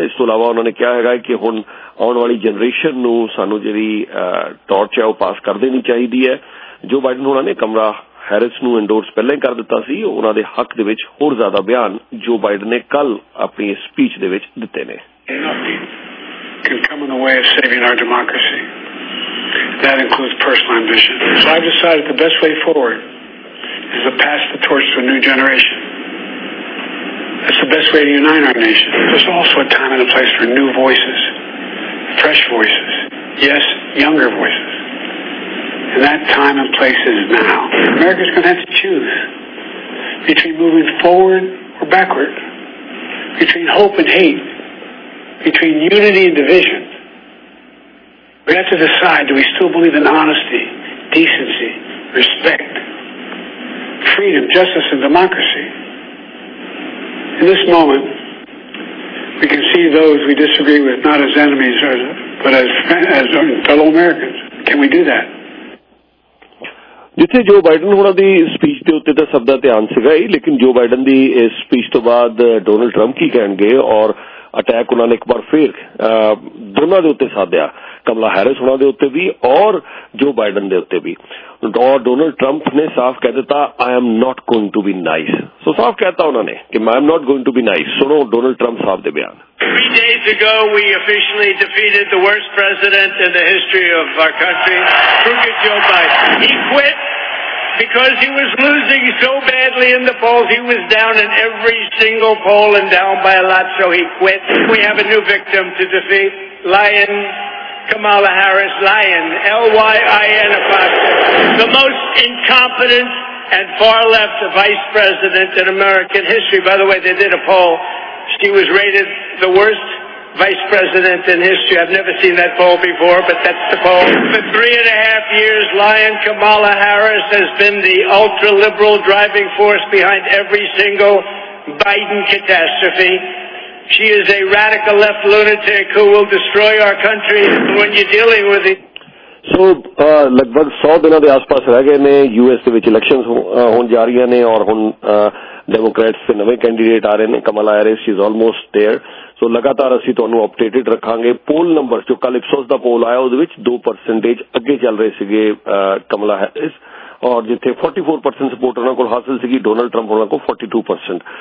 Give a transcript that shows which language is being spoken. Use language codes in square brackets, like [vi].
[pa] ਇਸ ਤੋਂ ਇਲਾਵਾ ਉਹਨਾਂ ਨੇ ਕਿਹਾ ਹੈਗਾ ਕਿ ਹੁਣ ਆਉਣ ਵਾਲੀ ਜਨਰੇਸ਼ਨ ਨੂੰ ਸਾਨੂੰ ਜਿਹੜੀ ਟੌਰਚ ਹੈ ਉਹ ਪਾਸ ਕਰ ਦੇਣੀ ਚਾਹੀਦੀ ਹੈ। ਜੋ ਬਾਈਡਨ ਹੋਣਾ ਨੇ ਕਮਰਾ ਹੈਰਿਸ ਨੂੰ ਇੰਡੋਰਸ ਪਹਿਲਾਂ ਹੀ ਕਰ ਦਿੱਤਾ ਸੀ, ਉਹਨਾਂ ਦੇ ਹੱਕ ਦੇ ਵਿੱਚ ਹੋਰ ਜ਼ਿਆਦਾ ਬਿਆਨ ਜੋ ਬਾਈਡਨ ਨੇ ਕੱਲ ਆਪਣੀ ਸਪੀਚ ਦੇ ਵਿੱਚ ਦਿੱਤੇ ਨੇ। [en] That includes personal ambition. So I've decided the best way forward is to pass the torch to a new generation. That's the best way to unite our nation. There's also a time and a place for new voices, fresh voices, yes, younger voices. And that time and place is now. America's going to have to choose between moving forward or backward, between hope and hate, between unity and division. We have to decide, do we still believe in honesty, decency, respect, freedom, justice, and democracy? In this moment, we can see those we disagree with not as enemies, but as friends, as fellow Americans. Can we do that? [pa] ਜਿੱਥੇ ਜੋ Biden ਹੋਣਾ ਦੀ speech ਦੇ ਉੱਤੇ ਤਾਂ ਸਭ ਦਾ ਧਿਆਨ ਸੀਗਾ ਹੀ, ਲੇਕਿਨ ਜੋ ਬਾਈਡਨ ਦੀ ਇਸ ਸਪੀਚ ਤੋਂ ਬਾਅਦ ਡੋਨਲਡ ਟਰੰਪ ਕੀ ਕਹਿਣਗੇ ਔਰ ਅਟੈਕ ਉਹਨਾਂ ਨੇ ਇੱਕ ਵਾਰ ਫਿਰ ਦੋਨਾਂ ਦੇ ਉੱਤੇ ਸਾਧਿਆ, ਕਮਲਾ ਹੈਰਿਸ ਉਹਨਾਂ ਦੇ ਉੱਤੇ ਵੀ ਔਰ ਜੋ ਬਾਈਡਨ ਦੇ ਉੱਤੇ ਵੀ। ਔਰ ਡੋਨਲਡ ਟਰੰਪ ਨੇ ਸਾਫ਼ ਕਹਿ ਦਿੱਤਾ [en] I am not going to be nice. [pa] ਸੋ ਸਾਫ਼ ਕਹਿਤਾ ਉਹਨਾਂ ਨੇ ਕਿ ਮੈਂ [en] Am not going to be nice. [pa] ਸੁਣੋ ਡੋਨਲਡ ਟਰੰਪ ਸਾਹਿਬ ਦੇ ਬਿਆਨ। [en] Three days ago we officially defeated the worst president in the history of our country, crooked Joe Biden. He quit because he was losing so badly in the polls. He was down in every single poll and down by a lot, so he quit. We have a new victim to defeat. Lion Kamala Harris, Lion, L-Y-I-N, the most incompetent and far-left vice president in American history. By the way, they did a poll. She was rated the worst vice president in history. I've never seen that poll before, but that's the poll. For 3.5 years, Lion Kamala Harris has been the ultra-liberal driving force behind every single Biden catastrophe. She is a radical left lunatic who will destroy our country when you're dealing with it. [pa] ਸੋ ਲਗਭਗ 100 ਦਿਨਾਂ ਦੇ ਆਸ ਪਾਸ ਰਹਿ ਗਏ ਨੇ US ਦੇ ਵਿੱਚ election ਹੁਣ ਜਾ ਰਹੀਆਂ ਨੇ ਔਰ ਹੁਣ ਡੈਮੋਕਰੈਟਸ ਦੇ ਨਵੇਂ ਕੈਂਡੀਡੇਟ ਆ ਰਹੇ ਨੇ, ਕਮਲਾ ਹੈਰਿਸ [en] Is almost there. [pa] ਸੋ ਲਗਾਤਾਰ ਅਸੀਂ ਤੁਹਾਨੂੰ ਅਪਡੇਟਡ ਰੱਖਾਂਗੇ। ਪੋਲ ਨੰਬਰ ਜੋ ਕੱਲ ਇਪਸੋਸ ਦਾ ਪੋਲ ਆਇਆ ਉਹਦੇ ਵਿੱਚ 2% ਅੱਗੇ ਚੱਲ ਰਹੇ ਸੀਗੇ ਕਮਲਾ ਹੈਰਿਸ, ਔਰ ਜਿੱਥੇ 44% ਸਪੋਰਟ ਉਹਨਾਂ ਕੋਲ ਹਾਸਲ ਸੀਗੀ, ਡੋਨਲਡ ਟਰੰਪ ਉਹਨਾਂ ਕੋਲ 42%।